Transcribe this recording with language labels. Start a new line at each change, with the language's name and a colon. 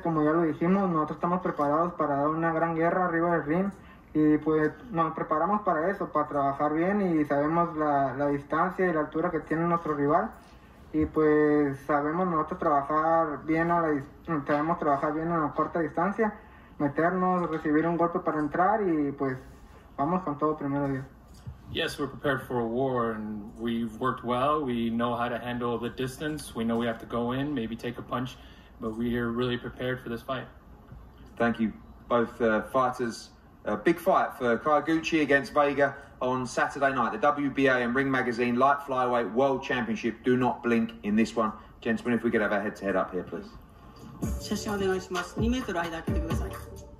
Spanish: Como ya lo dijimos, nosotros estamos preparados para dar una gran guerra arriba del ring, y pues nos preparamos para eso, para trabajar bien, y sabemos la distancia y la altura que tiene nuestro rival. Y pues sabemos nosotros trabajar bien a la sabemos trabajar bien a la corta distancia, meternos, recibir un golpe para entrar y pues vamos con todo primero Dios.
English: Yes, we're prepared for a war and we've worked well. We know how to handle the distance. We know we have to go in, maybe take a punch, but we are really prepared for this fight. Thank you, both fighters. A big fight for Kyoguchi against Vega on Saturday night. The WBA and Ring Magazine Light Flyweight World Championship. Do not blink in this one. Gentlemen, if we could have our head-to-head up here, please.
Japanese: 写真お願いします。2メートル間開けてください。